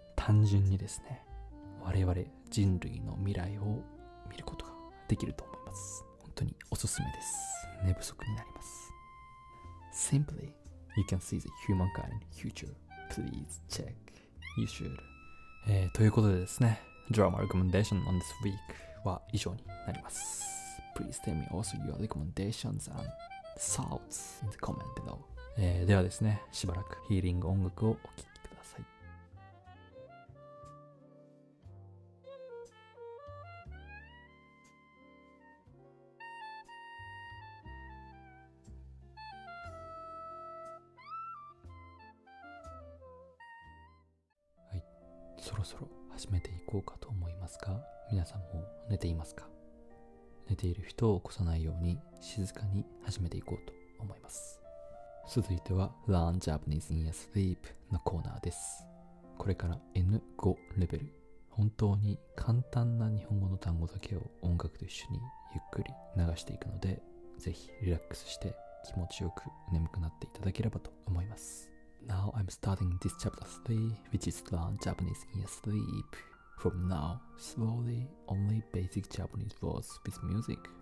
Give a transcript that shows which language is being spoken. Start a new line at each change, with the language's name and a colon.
Japanese: 単純にですね、我々人類の未来を見ることができると思います。本当におすすめです。寝不足になります。
English: Simply, you can see the humankind in future. Please check. You should.
Japanese: ということでですね、
English: drama recommendation on this week
Japanese: は以上になります。
English: Please tell me also your recommendations and thoughts in the comment below.
Japanese: ではですね、しばらくヒーリング音楽をお聴きください。はい、そろそろ始めていこうかと思いますが、皆さんも寝ていますか？寝ている人を起こさないように静かに始めていこうと思います。続いては Learn Japanese in Your Sleep のコーナーです。これから N5 レベル、本当に簡単な日本語の単語だけを音楽と一緒にゆっくり流していくので、ぜひリラックスして気持ちよく眠くなっていただければと思います。
English: Now I'm starting this chapter 3 which is Learn Japanese in Your Sleep. From now, slowly only basic Japanese words with music.